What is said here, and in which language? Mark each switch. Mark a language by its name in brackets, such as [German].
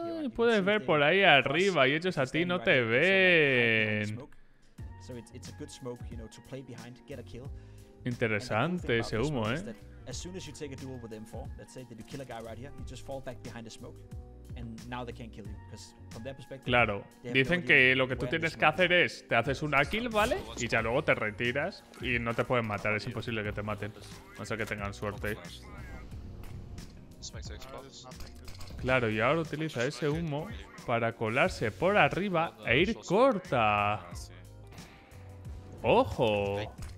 [Spanish] puedes ver por ahí arriba y ellos a ti no te ven. Interesante ese humo, ¿eh? [English] As soon as you take a duel with M4, let's say that you kill a guy right here, you just fall back behind the smoke, and now they can't kill you, because from their perspective. [Spanish] Claro, dicen que lo que tú tienes que hacer es te haces una kill, vale, y ya luego te retiras y no te pueden matar. Es imposible que te maten, no sé, que tengan suerte. Claro, y ahora utiliza ese humo para colarse por arriba e ir corta. Ojo.